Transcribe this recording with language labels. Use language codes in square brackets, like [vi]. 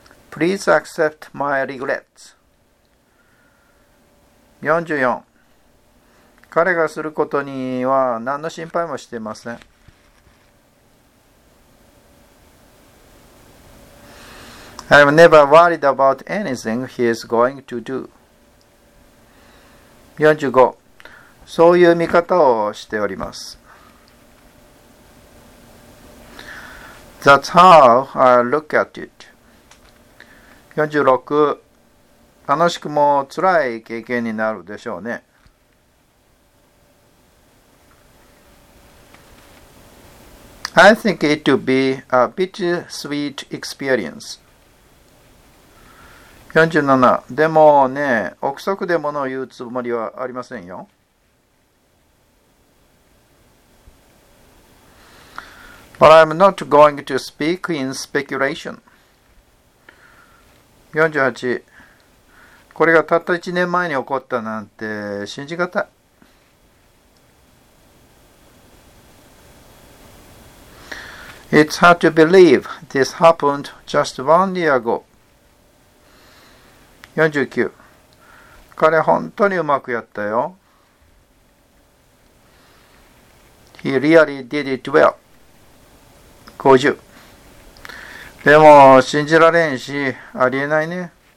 [en] Please accept my regrets. 44. [ja] 彼がすることには何の心配もしていません。 [en] I'm never worried about anything he is going to do. 45. [ja] そういう見方をしております。 [en] That's how I look at it. 46. [ja] 楽しくも辛い経験になるでしょうね。 [en] I think it would be a bittersweet experience. 47. [ja] でもね、憶測で物を言うつもりはありませんよ。 [en] But I'm not going to speak in speculation. 48. [ja] これがたった1年前に起こったなんて信じがたい。 [en] It's hard to believe this happened just 1 year ago. 49. [ja] 彼本当にうまくやったよ。 [en] He really did it well. 50. [ja] でも信じられんし、ありえないね。